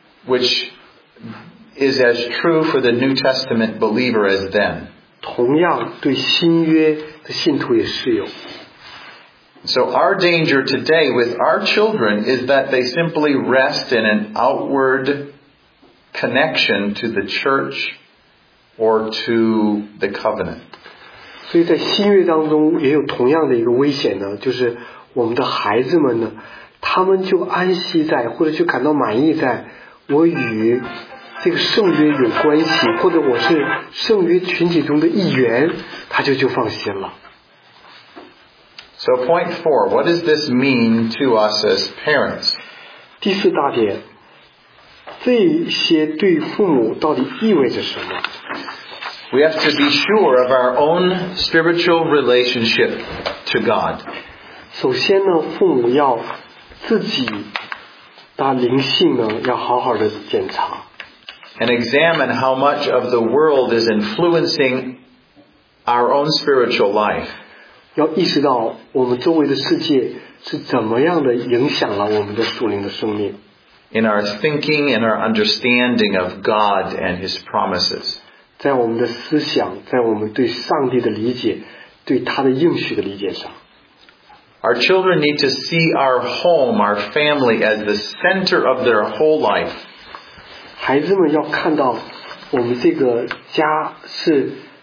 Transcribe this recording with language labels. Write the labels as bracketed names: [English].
[English] which is as true for the New Testament believer as then. [Chinese] 同样对新约的信徒也适用。 [English] So our danger today with our children is that they simply rest in an outward connection to the church or to the covenant. [Chinese] 所以在新约当中也有同样的一个危险呢, 就是我们的孩子们呢, 他们就安息在或者就感到满意在我与这个圣约有关系, 或者我是圣约群体中的一员, 他就放心了。 [English] So point four, what does this mean to us as parents? [Chinese] 第四大点, 这些对父母到底意味着什么? [English] We have to be sure of our own spiritual relationship to God. [Chinese] 首先呢, 父母要自己的灵性呢,要好好的检查。 [English] And examine how much of the world is influencing our own spiritual life. [Chinese] 要意识到我们周围的世界是怎么样的影响了我们的属灵的生命。 [English] In our thinking and our understanding of God and His promises. [Chinese] 在我们的思想,在我们对上帝的理解,对他的应许的理解上。 [English] Our children need to see our home, our family, as the center of their whole life. [Chinese] 孩子们要看到我们这个家是